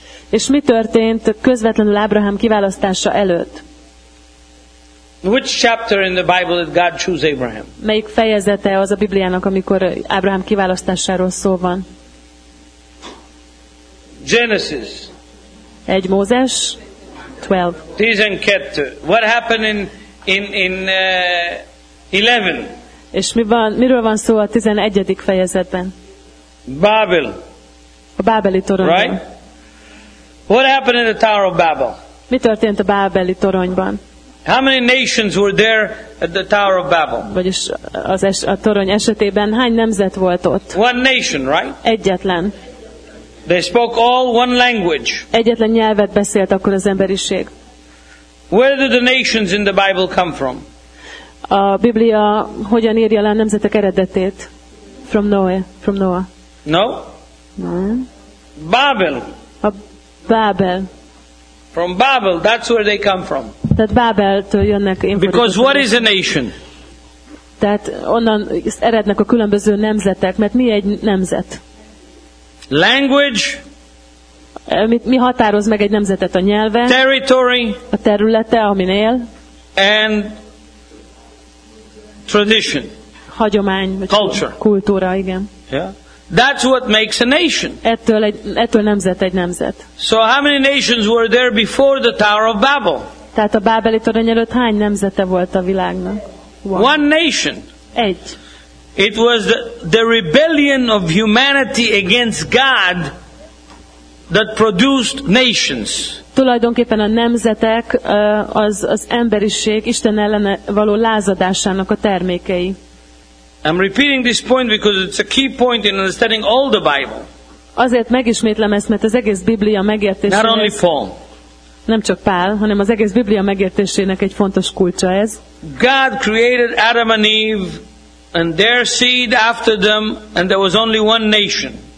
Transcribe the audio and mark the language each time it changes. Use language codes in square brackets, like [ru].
[hu] És mi történt közvetlenül Ábrahám kiválasztása előtt? [en] Which chapter in the Bible did God choose Abraham? [hu] Melyik fejezete az a Bibliának, amikor Ábrahám kiválasztásáról szó van? [en] Genesis. [hu] 1 Mózes 12. [en] 12. What happened in 11? [hu] És miről van szó a 11. fejezetben? [en] Babel. [hu] A bábeli torony. [en] Right? What happened in the Tower of Babel? [hu] Mi történt a bábeli toronyban? [en] How many nations were there at the Tower of Babel? [hu] Vagyis a torony esetében hány nemzet volt ott? [en] One nation, right? [hu] Egyetlen. [en] They spoke all one language. [hu] Egyetlen nyelvet beszélt akkor az emberiség. [en] Where did the nations in the Bible come from? [hu] A Biblia hogyan írja le a nemzetek eredetét? [en] From Noah. No? No. Babel. Babel. From Babel, that's where they come from. [hu] Tehát Bábeltől jönnek. [en] Because what is a nation? [hu] Tehát onnan erednek a különböző nemzetek, mert mi egy nemzet? [en] Language. [hu] Mi határoz meg egy nemzetet a nyelve? [en] Territory. [hu] A területe, amin él. [en] And tradition. [hu] Hagyomány. [en] Culture. [hu] Kultúra, igen. [en] Yeah. That's what makes a nation. [hu] Ettől nemzet egy nemzet. [en] So how many nations were there before the Tower of Babel? [hu] Tehát a bábeli torony előtt hány nemzete volt a világnak? [en] One nation. [hu] Egy. [en] It was the rebellion of humanity against God that produced nations. [hu] Tulajdonképpen a nemzetek az emberiség Isten ellen való lázadásának a termékei. [en] I'm repeating this point because it's a key point in understanding all the Bible. [hu] Azért megismétlem ezt, mert az egész Biblia megértésének. [en] Not only Paul. [hu] Nem csak Pál, hanem az egész Biblia megértésének egy fontos kulcsa ez. [en] God created Adam and Eve and their seed after them and there was only one nation.